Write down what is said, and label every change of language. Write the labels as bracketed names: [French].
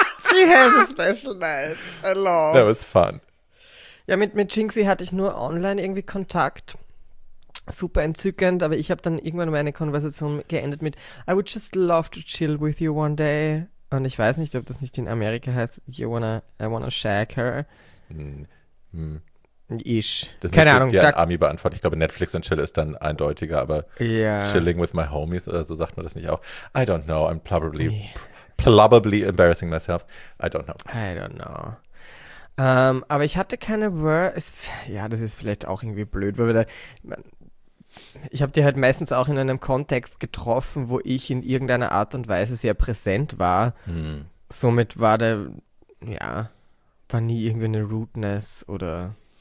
[English] She has a special night, I love. That was fun. [German] Ja, mit Jinxie hatte ich nur online irgendwie Kontakt. Super entzückend, aber ich habe dann irgendwann meine Konversation geendet mit [English] I would just love to chill with you one day. [German] Und ich weiß nicht, ob das nicht in Amerika heißt, [English] I wanna shag her. [German] Ich. Das keine Ahnung. Die Army beantworten. Ich glaube, Netflix und Chill ist dann eindeutiger, aber [English] yeah. Chilling with my homies [German] oder so sagt man das nicht auch. [English] I don't know. I'm probably, probably embarrassing myself. I don't know. I don't know. [German] Aber ich hatte keine ja, das ist vielleicht auch irgendwie blöd, weil wir da. Ich habe die halt meistens auch in einem Kontext getroffen, wo ich in irgendeiner Art und Weise sehr präsent war. Hm. Somit war der, ja, war nie irgendwie eine Rudeness oder.